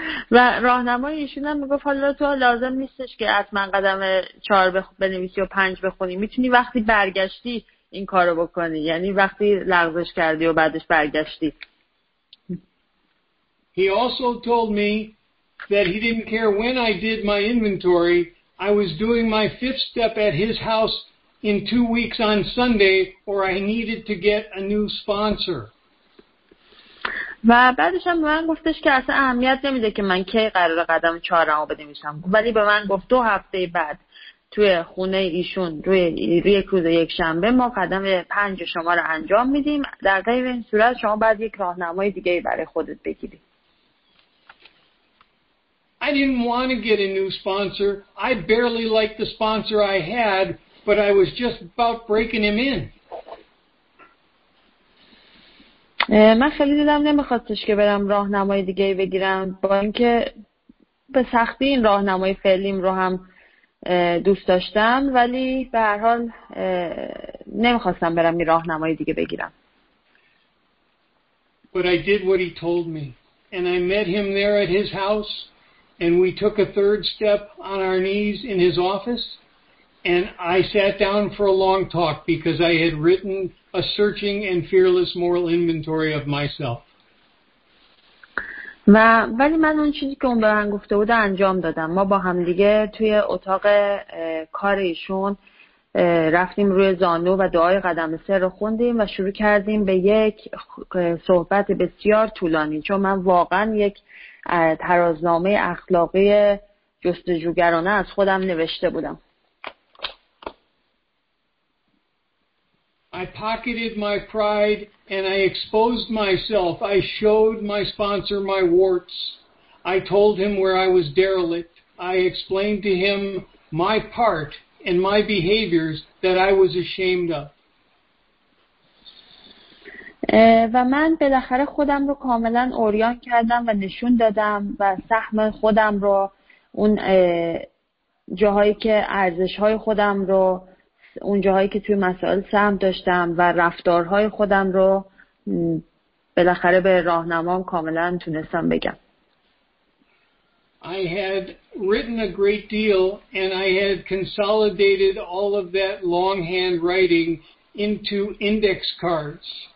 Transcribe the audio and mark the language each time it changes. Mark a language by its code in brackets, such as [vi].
[fa] راهنمای ایشون هم میگفت حالا تو لازم نیستش که حتما قدم 4 بنویسی و 5 بخونی. میتونی وقتی برگشتی این کارو بکنی. یعنی وقتی لغزش کردی و بعدش برگشتی. [en] He also told me that he didn't care when I did my inventory. I was doing my fifth step at his house in 2 weeks on Sunday, or I needed to get a new sponsor. [fa] و بعدش هم به من گفتش که اصلا اهمیت نمیده که من کی قرار قدم 4 بنویسم. ولی به من گفت 2 هفته بعد توی خونه ایشون روی کوزه یک شنبه ما قدم 5 شما رو انجام میدیم. در غیر این صورت شما باید یک راهنمای دیگه برای خودت بگیری. [en] I didn't want to get a new sponsor. I barely liked the sponsor I had, but I was just about breaking him in. [fa] من خیلی دلم نمیخواستش که برم راهنمای دیگه بگیرم، با اینکه به سختی این راهنمای فعلیم رو هم دوست داشتم، ولی به هر حال نمیخواستم برم این راهنمای دیگه بگیرم. [en] But I did what he told me, and I met him there at his house. And we took a third step on our knees in his office. And I sat down for a long talk because I had written a searching and fearless moral inventory of myself. [fa] و ولی من اون چیزی که اون به من گفته بود انجام دادم. ما با هم دیگه توی اتاق کار ایشون رفتیم روی زانو و دعای قدم سر رو خوندیم و شروع کردیم به یک صحبت بسیار طولانی، چون من واقعا یک ترازنامه اخلاقی جستجوگرانه از خودم نوشته بودم. [en] I pocketed my pride and I exposed myself. I showed my sponsor my warts. I told him where I was derelict. I explained to him my part and my behaviors that I was ashamed of. [fa] و من بالاخره خودم رو کاملا اوریان کردم و نشون دادم و سهم خودم رو اون جاهایی که ارزش‌های خودم رو اون جاهایی که توی مسائل سهم داشتم و رفتارهای خودم رو بالاخره به راهنمام کاملا تونستم بگم. [en] I had written a great deal and I had consolidated all of that longhand writing into index cards.